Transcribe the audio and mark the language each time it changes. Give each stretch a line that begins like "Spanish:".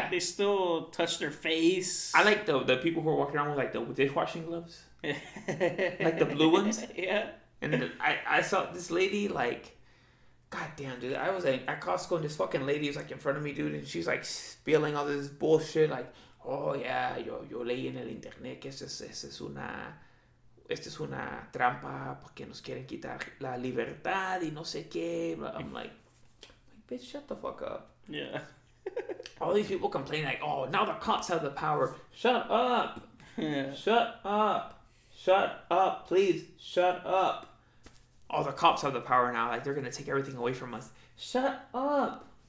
English: Like they still touch their face. I like the people who are walking around with like the dishwashing gloves. Like the blue ones. Yeah. And I saw this lady like, goddamn, dude. I was at Costco and this fucking lady was like in front of me, dude. And she's like spilling all this bullshit. Like, oh yeah,
Spanish: yo leí en el internet que esto es una trampa porque nos quieren quitar la libertad y no sé qué.
English: But I'm like. Bitch, shut the fuck up. Yeah. All these people complain like, oh, now the cops have the power. Shut up. Yeah. Shut up. Shut up. Please, shut up. Oh, the cops have the power now. Like, they're going to take everything away from us. Shut up.